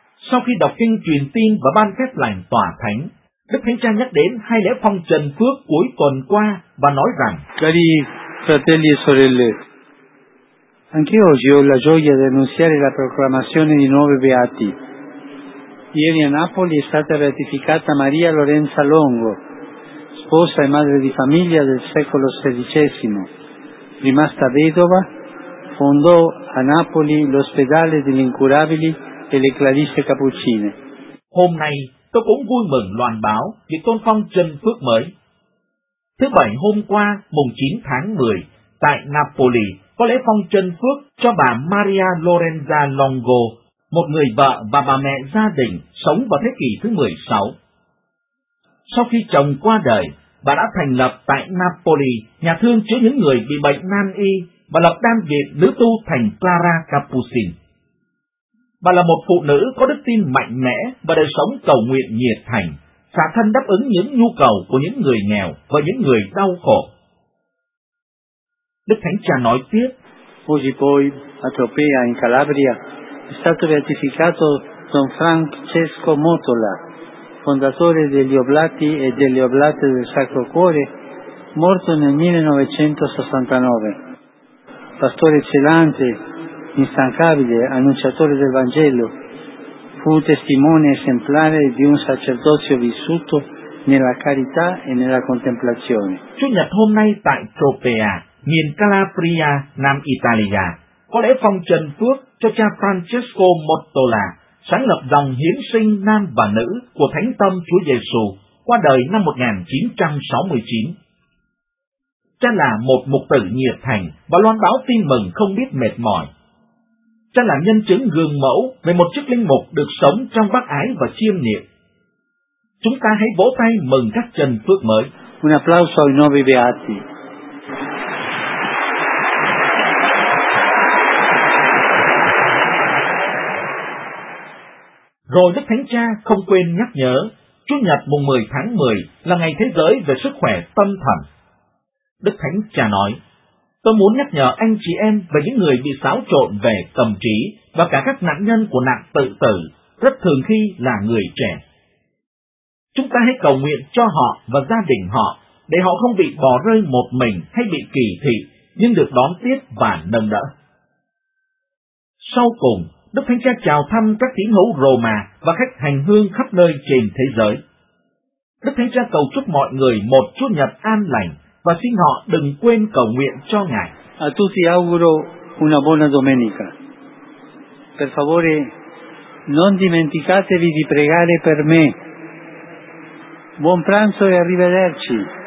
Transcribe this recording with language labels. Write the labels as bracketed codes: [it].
[vi] Sau khi đọc kinh truyền tin và ban phép lành tòa thánh, Đức Thánh Cha nhắc đến hai lễ phong trần phước cuối tuần qua và nói rằng: [it] cari fratelli e sorelle, anche oggi ho la gioia di annunciare la proclamazione di nove beati. Ieri a Napoli è stata beatificata Maria Lorenza Longo, sposa e madre di famiglia del secolo XVI, rimasta vedova, fondò a Napoli l'ospedale degli incurabili e le Clarisse Cappuccine. [vi] Hôm nay tôi cũng vui mừng loan báo về tôn phong Trần Phước Mới. Thứ bảy hôm qua, mùng 9 tháng 10, tại Napoli có lễ phong Trần Phước cho bà Maria Lorenza Longo, một người vợ và bà mẹ gia đình sống vào thế kỷ thứ 16. Sau khi chồng qua đời, bà đã thành lập tại Napoli nhà thương chữa những người bị bệnh nan y và lập đan viện nữ tu thành Clara Cappuccin. Bà là một phụ nữ có đức tin mạnh mẽ và đời sống cầu nguyện nhiệt thành, xả thân đáp ứng những nhu cầu của những người nghèo và những người đau khổ. Đức Thánh Cha nói tiếp: [it] Oggi poi a Tropea in Calabria è stato beatificato Don Francesco Motola, fondatore degli Oblati e delle Oblate del Sacro Cuore, morto nel 1969. Pastore celante, instancabile, annunciatore del Vangelo, fu testimone esemplare di un sacerdozio vissuto nella carità e nella contemplazione. [vi] Chủ nhật hôm nay tại Tropea, miền Calabria, Nam Italia, có lễ phong Trần Phước cho cha Francesco Mottola, sáng lập dòng hiến sinh nam và nữ của Thánh Tâm Chúa Giêsu, qua đời năm 1969. Cha là một mục tử nhiệt thành và loan báo tin mừng không biết mệt mỏi. Cha là nhân chứng gương mẫu về một chức linh mục được sống trong bác ái và chiêm niệm. Chúng ta hãy vỗ tay mừng các Trần Phước Mới. [it] Un applauso ai nuovi beati. [vi] Rồi Đức Thánh Cha không quên nhắc nhở, Chủ nhật mùng 10 tháng 10 là ngày thế giới về sức khỏe tâm thần. Đức Thánh Cha nói, tôi muốn nhắc nhở anh chị em và những người bị xáo trộn về tâm trí và cả các nạn nhân của nạn tự tử, rất thường khi là người trẻ. Chúng ta hãy cầu nguyện cho họ và gia đình họ, để họ không bị bỏ rơi một mình hay bị kỳ thị, nhưng được đón tiếp và nâng đỡ. Sau cùng, Đức Thánh Cha chào thăm các tín hữu Roma và khách hành hương khắp nơi trên thế giới. Đức Thánh Cha cầu chúc mọi người một Chúa Nhật an lành. Và xin họ đừng quên cầu nguyện cho Ngài. [it] A tutti auguro una buona domenica. Per favore, non dimenticatevi di pregare per me. Buon pranzo e arrivederci.